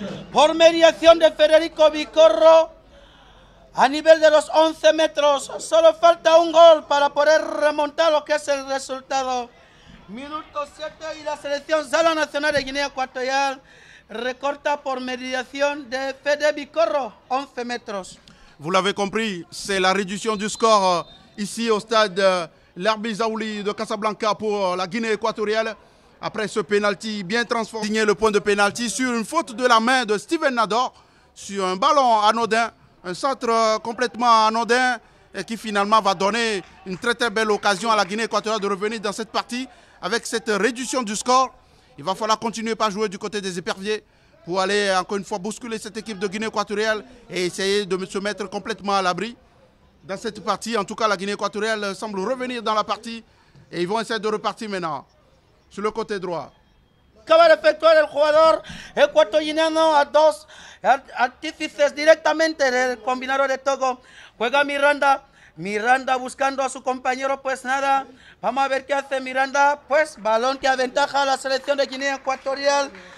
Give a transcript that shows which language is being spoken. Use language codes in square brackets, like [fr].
[es] Por mediación de Federico Vicorro. A nivel de los 11 metros. Solo falta un gol para poder remontar lo que es el resultado. Minuto 7 y la selección Zalang Nacional de Guinea Ecuatorial. Recorta por mediación de Fede Vicorro, 11 metros. [fr] Vous l'avez compris, c'est la réduction du score ici au stade Larbi Zaouli de Casablanca pour la Guinée équatoriale. Après ce pénalty bien transformé, signé le point de pénalty sur une faute de la main de Steven Nador sur un ballon anodin, un centre complètement anodin et qui finalement va donner une très très belle occasion à la Guinée équatoriale de revenir dans cette partie avec cette réduction du score. Il va falloir continuer par jouer du côté des éperviers pour aller encore une fois bousculer cette équipe de Guinée équatoriale et essayer de se mettre complètement à l'abri dans cette partie. En tout cas, la Guinée équatoriale semble revenir dans la partie et ils vont essayer de repartir maintenant sur le côté droit. [es] acaba de efectuar el jugador ecuatoriano a dos artífices directamente del combinado de Togo. Juega Miranda. Miranda buscando a su compañero, pues nada. Vamos a ver qué hace Miranda. Pues balón que aventaja a la selección de Guinea Ecuatorial.